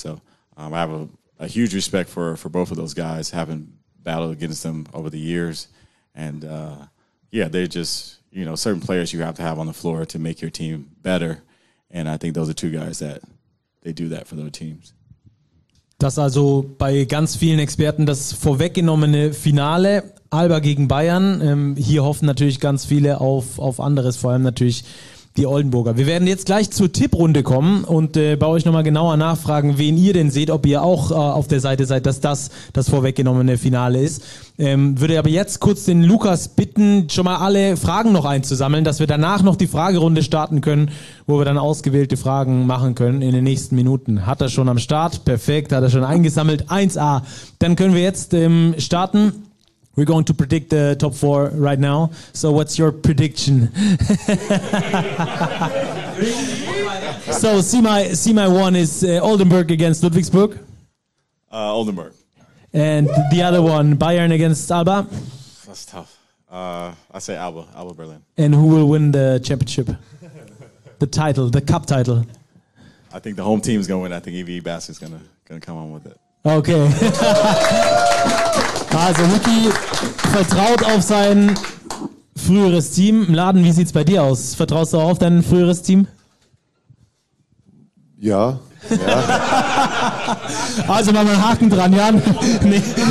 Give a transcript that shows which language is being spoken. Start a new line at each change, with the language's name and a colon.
English: So I have a huge respect for both of those guys, having battled against them over the years, and they're just, you know, certain players you have to have on the floor to make your team better, and I think those are two guys that they do that for their teams.
German: Das also bei ganz vielen Experten das vorweggenommene Finale, Alba gegen Bayern. Hier hoffen natürlich ganz viele auf anderes, vor allem natürlich die Oldenburger. Wir werden jetzt gleich zur Tipprunde kommen und bei euch nochmal genauer nachfragen, wen ihr denn seht, ob ihr auch auf der Seite seid, dass das vorweggenommene Finale ist. Würde aber jetzt kurz den Lukas bitten, schon mal alle Fragen noch einzusammeln, dass wir danach noch die Fragerunde starten können, wo wir dann ausgewählte Fragen machen können in den nächsten Minuten. Hat er schon am Start? Perfekt, hat er schon eingesammelt. 1A. Dann können wir jetzt starten.
English: We're going to predict the top four right now. So what's your prediction? So C-my one is Oldenburg against Ludwigsburg. Oldenburg. And the other one, Bayern against Alba. That's tough. I say Alba Berlin. And who will win the championship? The title, the cup title. I think the home team is going to win. I think EVE Basket is going to come on with it. Okay.
German: Also Ricky vertraut auf sein früheres Team. Mladen, wie sieht's bei dir aus? Vertraust du auch auf dein früheres Team? Ja. Also machen wir einen Haken dran, Jan. Nee.